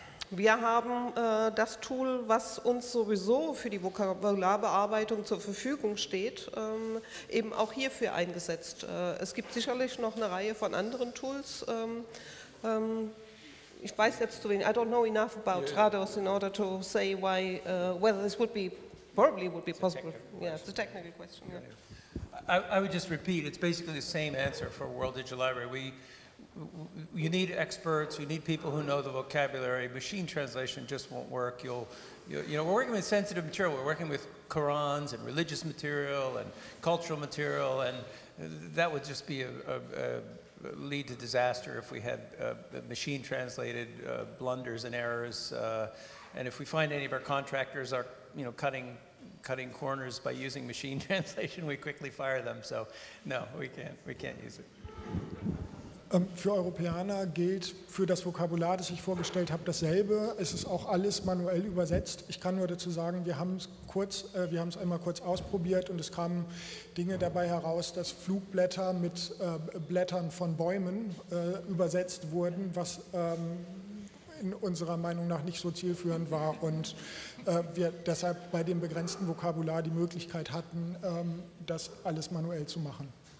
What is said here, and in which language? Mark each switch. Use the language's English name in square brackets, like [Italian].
[German] Wir haben das Tool, was uns sowieso für die Vokabularbearbeitung zur Verfügung steht, eben auch hierfür eingesetzt. Es gibt sicherlich noch eine Reihe von anderen Tools. Ich weiß jetzt zu wenig, [English] I don't know enough about Trados in order to say why, whether this would be, probably would be it's possible. It's a technical question. I would just repeat, it's basically the same answer for World Digital Library. You need experts, you need people who know the vocabulary. Machine translation just won't work. You know, we're working with sensitive material. We're working with Qurans and religious material and cultural material, and that would just be a lead to disaster if we had machine translated blunders and errors. And if we find any of our contractors are, you know, cutting corners by using machine translation, we quickly fire them. So no, we can't use it. [German] Für Europeaner gilt für das Vokabular, das ich vorgestellt habe, dasselbe. Es ist auch alles manuell übersetzt. Ich kann nur dazu sagen, wir haben es einmal kurz ausprobiert, und es kamen Dinge dabei heraus, dass Flugblätter mit Blättern von Bäumen übersetzt wurden, was in unserer Meinung nach nicht so zielführend war, und wir deshalb bei dem begrenzten Vokabular die Möglichkeit hatten, das alles manuell zu machen.